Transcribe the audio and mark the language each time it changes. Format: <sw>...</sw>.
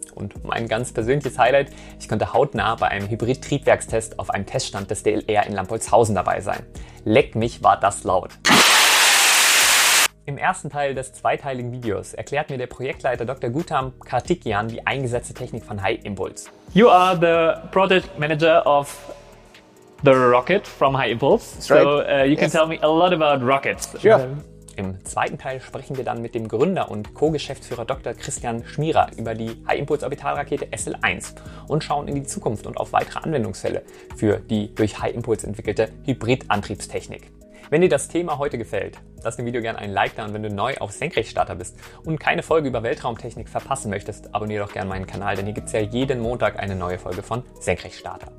<de>Und mein ganz persönliches Highlight, ich konnte hautnah bei einem Hybrid-Triebwerkstest auf einem Teststand des DLR in Lampolzhausen dabei sein. Leck mich, war das laut. Im ersten Teil des zweiteiligen Videos erklärt mir der Projektleiter Dr. Gautam Kartikeyan die eingesetzte Technik von High Impulse.</de> <en>You are the project manager of the rocket from High Impulse. That's right. So you can tell me a lot about rockets. Sure.</en> <de>Im zweiten Teil sprechen wir dann mit dem Gründer und Co-Geschäftsführer Dr. Christian Schmierer über die High-Impulse-Orbitalrakete SL-1 und schauen in die Zukunft und auf weitere Anwendungsfälle für die durch High-Impulse entwickelte Hybrid-Antriebstechnik. Wenn dir das Thema heute gefällt, lass dem Video gerne ein Like da, und wenn du neu auf Senkrechtstarter bist und keine Folge über Weltraumtechnik verpassen möchtest, abonniere doch gerne meinen Kanal, denn hier gibt es ja jeden Montag eine neue Folge von Senkrechtstarter.</de>